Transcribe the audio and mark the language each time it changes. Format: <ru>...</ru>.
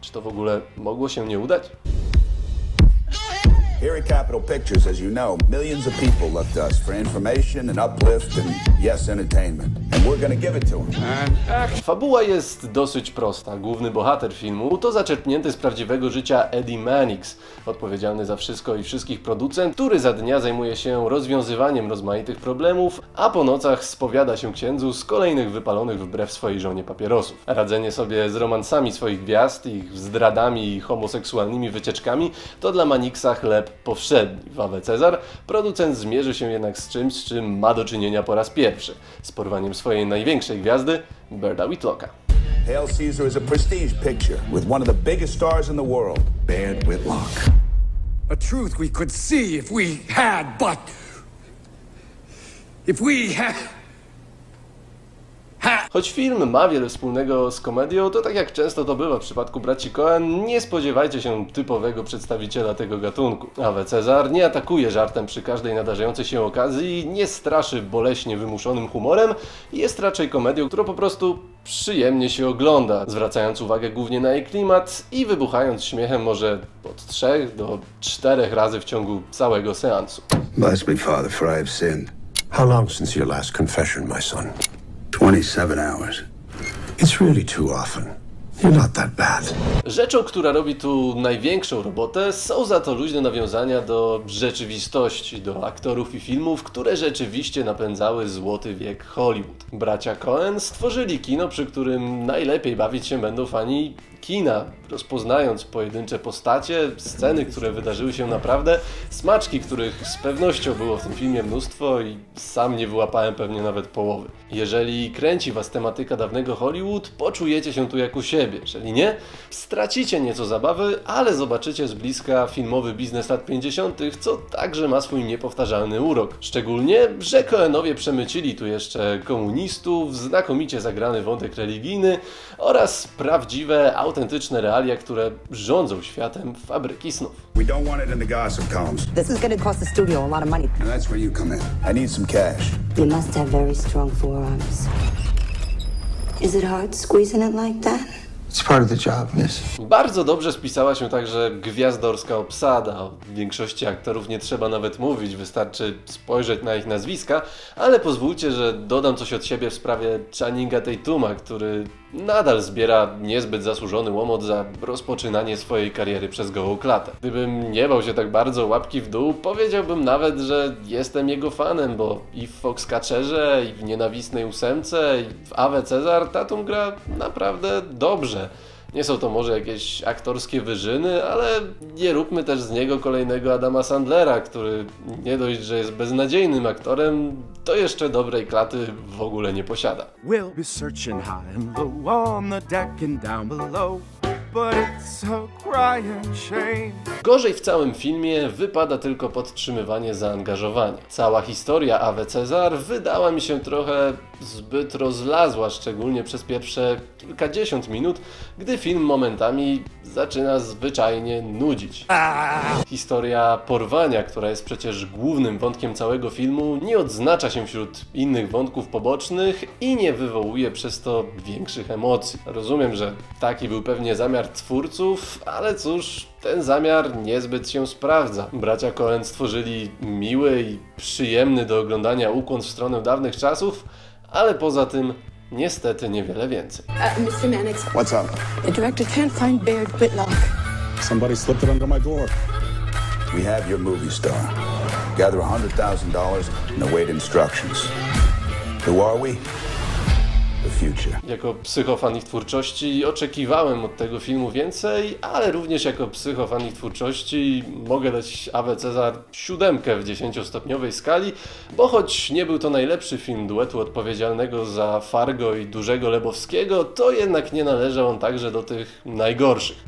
<pl>Czy to w ogóle mogło się nie udać?</pl> <en>Here at Capitol Pictures, as you know, millions of people look to us for information and uplift and, yes, entertainment. And we're gonna give it to them.</en> <pl>Fabuła jest dosyć prosta. Główny bohater filmu to zaczerpnięty z prawdziwego życia Eddie Mannix, odpowiedzialny za wszystko i wszystkich producent, który za dnia zajmuje się rozwiązywaniem rozmaitych problemów, a po nocach spowiada się księdzu z kolejnych wypalonych wbrew swojej żonie papierosów. Radzenie sobie z romansami swoich gwiazd, ich zdradami i homoseksualnymi wycieczkami to dla Mannixa chleb powszedni. W Ave Cezar producent zmierzy się jednak z czymś, z czym ma do czynienia po raz pierwszy. Z porwaniem swojej największej gwiazdy, Birda Whitlocka.</pl> <en>Hail Caesar is a prestige picture with one of the biggest stars in the world, Baird Whitlock. A truth we could see if we had, but... If we had...</en> <pl>Choć film ma wiele wspólnego z komedią, to tak jak często to bywa w przypadku braci Coen, nie spodziewajcie się typowego przedstawiciela tego gatunku. Ave Cezar nie atakuje żartem przy każdej nadarzającej się okazji, nie straszy boleśnie wymuszonym humorem, jest raczej komedią, którą po prostu przyjemnie się ogląda, zwracając uwagę głównie na jej klimat i wybuchając śmiechem może od 3 do 4 razy w ciągu całego seansu.</pl> <en>Bless me, Father, for I have sinned. How long since your last confession, my son? 27 hours. It's really too often. You're not that bad.</en> <pl>Rzeczą, która robi tu największą robotę, są za to luźne nawiązania do rzeczywistości, do aktorów i filmów, które rzeczywiście napędzały złoty wiek Hollywood. Bracia Coen stworzyli kino, przy którym najlepiej bawić się będą fani kina, rozpoznając pojedyncze postacie, sceny, które wydarzyły się naprawdę, smaczki, których z pewnością było w tym filmie mnóstwo i sam nie wyłapałem pewnie nawet połowy. Jeżeli kręci was tematyka dawnego Hollywood, poczujecie się tu jak u siebie. Jeżeli nie, stracicie nieco zabawy, ale zobaczycie z bliska filmowy biznes lat 50., co także ma swój niepowtarzalny urok. Szczególnie, że Coenowie przemycili tu jeszcze komunistów, znakomicie zagrany wątek religijny oraz prawdziwe, autentyczne realia, które rządzą światem fabryki snów.</pl> <en>We don't want it in the gossip columns. This is gonna cost the studio a lot of money. And that's where you come in. I need some cash. You must have very strong forearms. Is it hard squeezing it like that? It's part of the job, miss.</en> <pl>Bardzo dobrze spisała się także gwiazdorska obsada. O większości aktorów nie trzeba nawet mówić, wystarczy spojrzeć na ich nazwiska, ale pozwólcie, że dodam coś od siebie w sprawie Channinga Tatuma, który nadal zbiera niezbyt zasłużony łomot za rozpoczynanie swojej kariery przez gołą klatę. Gdybym nie bał się tak bardzo łapki w dół, powiedziałbym nawet, że jestem jego fanem, bo i w Foxcatcherze, i w Nienawistnej Ósemce, i w Ave Cezar Tatum gra naprawdę dobrze. Nie są to może jakieś aktorskie wyżyny, ale nie róbmy też z niego kolejnego Adama Sandlera, który nie dość, że jest beznadziejnym aktorem, to jeszcze dobrej klaty w ogóle nie posiada.</pl> <en>We'll be searching high and low on the deck and down below. But it's a crying shame.</en> <pl>Gorzej w całym filmie wypada tylko podtrzymywanie zaangażowania. Cała historia Ave Cezar wydała mi się trochę zbyt rozlazła, szczególnie przez pierwsze kilkadziesiąt minut, gdy film momentami zaczyna zwyczajnie nudzić. Historia porwania, która jest przecież głównym wątkiem całego filmu, nie odznacza się wśród innych wątków pobocznych i nie wywołuje przez to większych emocji. Rozumiem, że taki był pewnie zamiar twórców, ale cóż, ten zamiar niezbyt się sprawdza. Bracia Coen stworzyli miły i przyjemny do oglądania ukłon w stronę dawnych czasów, ale poza tym niestety niewiele więcej.</pl> <en>Mr. Mannix. What's up? The director can't find Baird Whitlock. Somebody slipped it under my door. We have your movie star. Gather $100,000 and await instructions. Who are we?</en> <pl>Jako psychofan ich twórczości oczekiwałem od tego filmu więcej, ale również jako psychofan ich twórczości mogę dać Ave Cezar 7 w 10-stopniowej skali, bo choć nie był to najlepszy film duetu odpowiedzialnego za Fargo i Dużego Lebowskiego, to jednak nie należał on także do tych najgorszych.</pl>